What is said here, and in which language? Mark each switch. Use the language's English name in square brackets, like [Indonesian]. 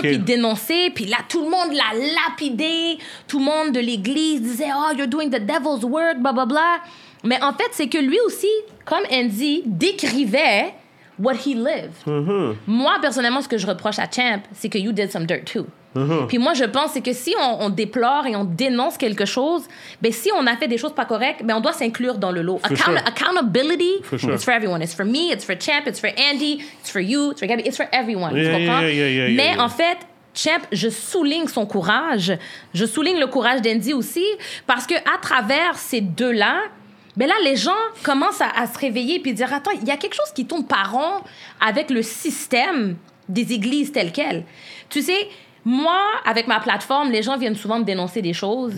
[French] puis dénoncer. Puis là, tout le monde l'a lapidé. Tout le monde de l'église disait, « [English] Oh, you're doing the devil's work, blah, blah, blah. [French] » Mais en fait, c'est que lui aussi, comme Andy, décrivait [English] what he lived. Mm-hmm. [French] Moi, personnellement, ce que je reproche à Champ, c'est que [English] you did some dirt too. Mm-hmm. [French] Puis moi, je pense c'est que si on déplore et on dénonce quelque chose, ben si on a fait des choses pas correctes, ben on doit s'inclure dans le lot. [English] Accountability, it's for everyone. It's for me, it's for Champ, it's for Andy, it's for you, it's for Gabby, it's for everyone. [French] Mais en fait, Champ, je souligne son courage. Je souligne le courage d'Andy aussi, parce qu'à travers ces deux-là, ben là, les gens commencent à se réveiller et dire, attends, il y a quelque chose qui tourne pas rond avec le système des églises telles quelles. Tu sais, moi, avec ma plateforme, les gens viennent souvent me dénoncer des choses.